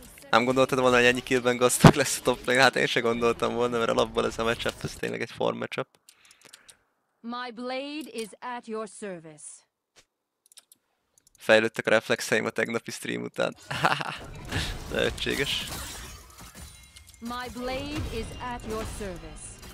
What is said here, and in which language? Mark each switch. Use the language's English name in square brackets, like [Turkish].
[Hungarian] Nem gondoltad volna, hogy ennyi killben gazdag lesz a top lane? Hát én se gondoltam volna, mert alapból ez a matchup, ez tényleg egy farm matchup. [English] My blade is at your service. [Hungarian] Fejlődtek a reflexeim a tegnapi stream után. Lehetséges. [English] My blade is at your service.